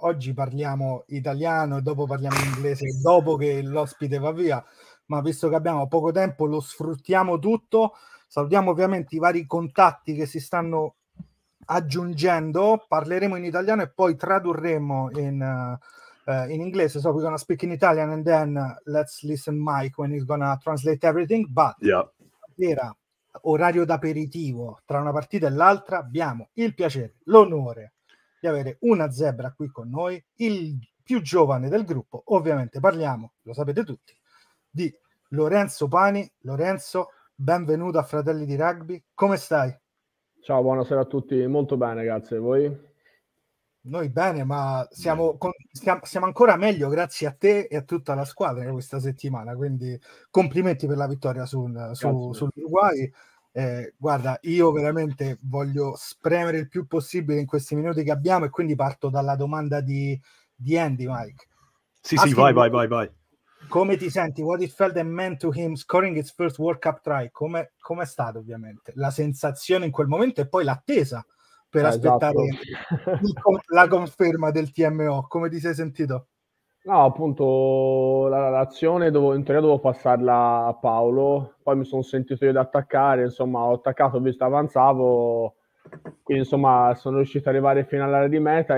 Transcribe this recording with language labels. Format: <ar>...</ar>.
<it>Oggi parliamo italiano e dopo parliamo inglese, dopo che l'ospite va via. Ma visto che abbiamo poco tempo, lo sfruttiamo tutto. Salutiamo ovviamente i vari contatti che si stanno aggiungendo. Parleremo in italiano e poi tradurremo in...</it> <en>in English, so we're gonna speak in Italian and then let's listen Mike when he's gonna translate everything. But yeah,</en> <it>orario d'aperitivo tra una partita e l'altra, abbiamo il piacere, l'onore di avere una zebra qui con noi, il più giovane del gruppo. Ovviamente parliamo, lo sapete tutti, di Lorenzo Pani. Lorenzo, benvenuto a Fratelli di Rugby. Come stai? Ciao, buonasera a tutti, molto bene, grazie. Voi? Noi bene, ma siamo ancora meglio grazie a te e a tutta la squadra questa settimana, quindi complimenti per la vittoria sull'Uruguay. Guarda, io veramente voglio spremere il più possibile in questi minuti che abbiamo e quindi parto dalla domanda di Andy, Mike. Sì, sì, vai. Come ti senti?</it> <en>What it felt and meant to him scoring his first World Cup try?</en> <it>Come è stato ovviamente? La sensazione in quel momento e poi l'attesa per aspettare esatto. La conferma del TMO, come ti sei sentito? No, appunto, la relazione in teoria dovevo passarla a Paolo, poi mi sono sentito io di attaccare, insomma, ho attaccato, ho visto avanzavo, quindi insomma sono riuscito ad arrivare fino all'area di meta.</it>